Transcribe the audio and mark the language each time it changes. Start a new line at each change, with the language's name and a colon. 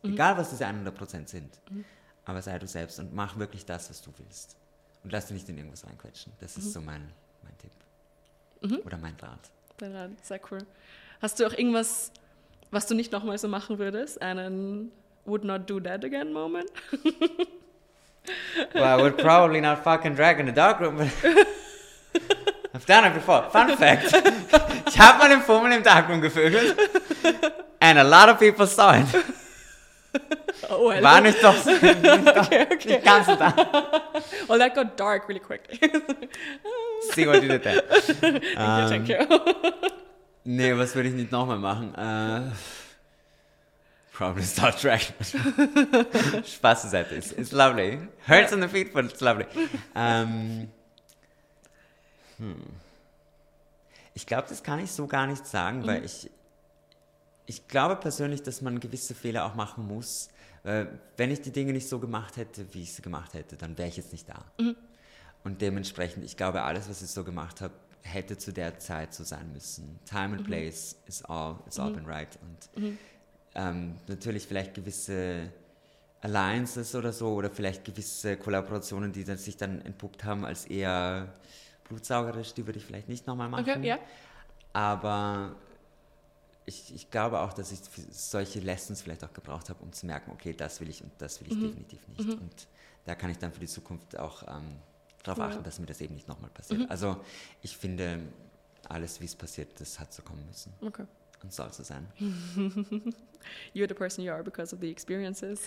German: Egal, was diese 100% sind. Aber sei du selbst und mach wirklich das, was du willst. Und lass dich nicht in irgendwas reinquetschen. Das ist so mein Tipp. Oder mein Rat. Dein Rat, sehr cool. Hast du auch irgendwas, was du nicht nochmal so machen würdest?
English: Einen would not do that again moment? Well, I would probably not fucking drag in the dark room. But I've done it before. Fun fact.
German: Ich habe mal den Fummel im Darkroom gefügelt.
English: And a lot of people saw it. Oh, well.
German: War nicht doch so. Nicht ganz so da.
English: Well, that got dark really quick. See what you did there. Thank you.
German: Nee, was würde ich nicht nochmal machen?
English: Probably Star Trek.
German: Spaß ist halt.
English: It's lovely. Hurts on the feet, but it's lovely.
German: Ich glaube, das kann ich so gar nicht sagen, weil ich glaube persönlich, dass man gewisse Fehler auch machen muss. Wenn ich die Dinge nicht so gemacht hätte, wie ich sie gemacht hätte, dann wäre ich jetzt nicht da. Und dementsprechend, ich glaube, alles, was ich so gemacht habe, hätte zu der Zeit so sein müssen.
English: Time and place is all, it's all been right.
German: Und natürlich vielleicht gewisse Alliances oder so, oder vielleicht gewisse Kollaborationen, die dann sich dann entpuppt haben als eher blutsaugerisch, die würde ich vielleicht nicht nochmal machen.
English: Okay, yeah.
German: Aber ich glaube auch, dass ich solche Lessons vielleicht auch gebraucht habe, um zu merken, okay, das will ich und das will ich definitiv nicht. Und da kann ich dann für die Zukunft auch darauf achten, dass mir das eben nicht nochmal passiert. Mhm. Also ich finde, alles, wie es passiert, das hat so kommen müssen. Okay. Und soll so sein.
English: You're the person you are because of the experiences.